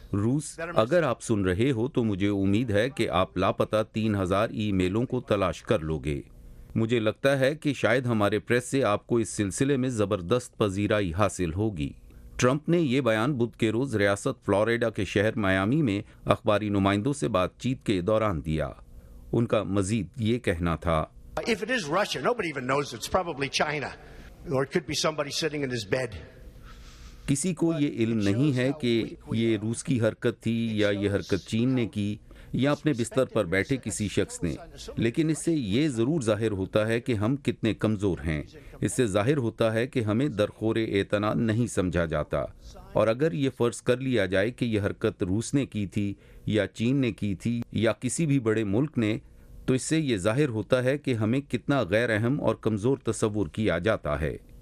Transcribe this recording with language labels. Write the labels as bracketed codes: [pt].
[ur] روس, اگر آپ سن رہے ہو تو مجھے امید ہے کہ آپ لاپتہ 3,000 ای میلوں کو تلاش کر لوگے. مجھے لگتا ہے کہ شاید ہمارے پریس سے آپ کو اس سلسلے میں زبردست پذیرائی حاصل ہوگی. ٹرمپ نے یہ بیان بدھ کے روز ریاست فلوریڈا کے شہر میامی میں اخباری نمائندوں سے بات چیت کے دوران دیا. ان کا مزید یہ کہنا تھا, [en] If it is Russia, nobody even knows, it's probably China, or it could be somebody sitting in his bed. [ur] کسی کو یہ علم نہیں ہے کہ یہ روس کی حرکت تھی یا یہ حرکت چین نے کی یا اپنے بستر پر بیٹھے کسی شخص نے, لیکن اس سے یہ ضرور ظاہر ہوتا ہے کہ ہم کتنے کمزور ہیں. اس سے ظاہر ہوتا ہے کہ ہمیں درخور اعتنا نہیں سمجھا جاتا, اور اگر یہ فرض کر لیا جائے کہ یہ حرکت روس نے کی تھی یا چین نے کی تھی یا کسی بھی بڑے ملک نے, تو اس سے یہ ظاہر ہوتا ہے کہ ہمیں کتنا غیر اہم اور کمزور تصور کیا جاتا ہے.